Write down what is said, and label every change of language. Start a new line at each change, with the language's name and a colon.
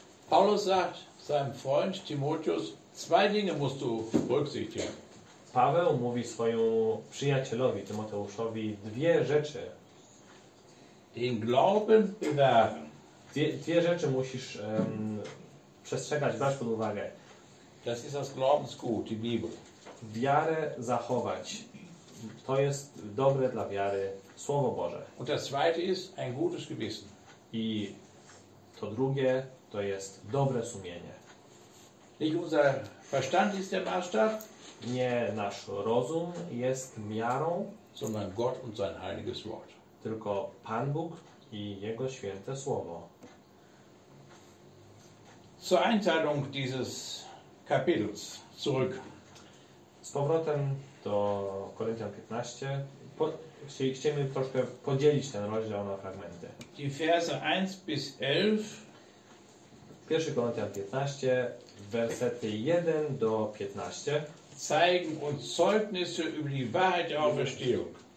German: Paulus sagt seinem Freund Timotheus, zwei Dinge musst du berücksichtigen.
Polish: Paweł mówi swojemu przyjacielowi Tymoteuszowi dwie rzeczy.
German: Den Glauben bewahren.
Polish: Dwie rzeczy musisz przestrzegać, brać pod uwagę.
German: Das ist das Glaubensgut, die Bibel.
Polish: Wiarę zachować. To jest dobre dla wiary Słowo Boże.
German: Und das zweite ist ein gutes Gewissen.
Polish: I to drugie to jest dobre sumienie.
German: Nicht unser Verstand ist der Maßstab.
Polish: Nie nasz rozum jest miarą,
German: sondern Gott und sein heiliges Wort.
Polish: Tylko Pan Bóg i Jego święte Słowo.
German: Zur Einteilung dieses Kapitels zurück.
Polish: Z powrotem do Koryntian 15. Chcemy troszkę podzielić ten rozdział na fragmenty.
German: Die Verse 1-11.
Polish: Pierwszy Koryntian 15, wersety 1-15.
German: Zeigen uns Zeugnisse über die Wahrheit der Auferstehung.